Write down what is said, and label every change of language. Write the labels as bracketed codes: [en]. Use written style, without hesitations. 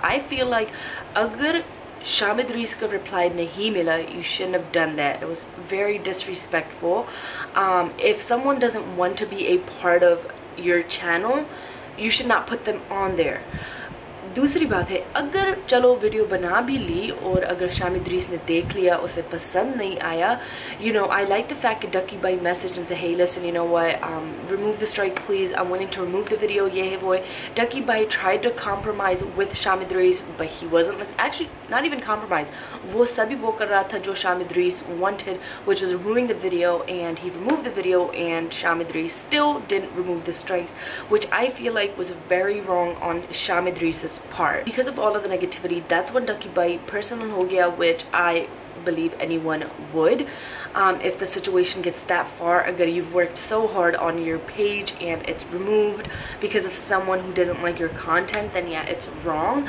[en] I feel like [hi] agar Sham Idrees ka reply nahi mila, [en] you shouldn't have done that. It was very disrespectful. If someone doesn't want to be a part of your channel, you should not put them on there. [hi] दूसरी बात है, अगर चलो video बना भी ली और अगर शाम इदरीस ने देख लिया, उसे पसंद नहीं आया, [en] you know I like the fact Ducky भाई message and say, hey listen, you know what, remove the strike please, I am willing to remove the video, [hi] ये है वो है। [en] डकी भाई try to compromise with Sham Idrees, but he wasn't actually not even compromise, [hi] वो सभी वो कर रहा था जो [en] Sham Idrees wanted, which was removing the video, and he remove the video and Sham Idrees still didn't remove the strikes, which I feel like was very wrong on Sham Idrees part. Because of all of the negativity, that's when Ducky Bhai [hi] personal ho gaya, [en] which I believe anyone would if the situation gets that far. Agar you've worked so hard on your page and it's removed because of someone who doesn't like your content, then yeah, it's wrong.